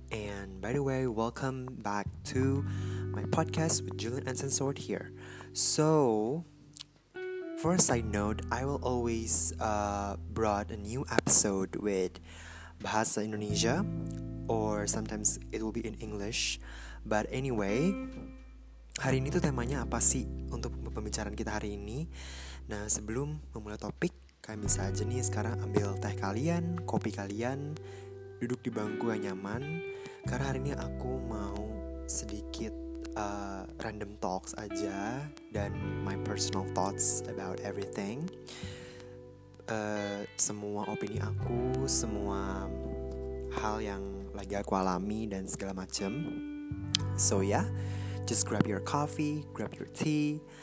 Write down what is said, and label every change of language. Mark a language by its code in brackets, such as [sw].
[en] And by the way, welcome back to my podcast with Julian Uncensored here. So, for a side note, I will always brought a new episode with Bahasa Indonesia, or sometimes it will be in English. But anyway, [id] hari ini tuh temanya apa sih untuk pembicaraan kita hari ini? Nah, sebelum memulai topik, kalian bisa aja nih sekarang ambil teh kalian, kopi kalian, duduk di bangku yang nyaman. Karena hari ini aku mau sedikit [en] random talks [id] aja dan [en] my personal thoughts about everything. [id] Semua opini aku, semua hal yang lagi aku alami dan segala macem. [en] So yeah, just grab your coffee, grab your tea.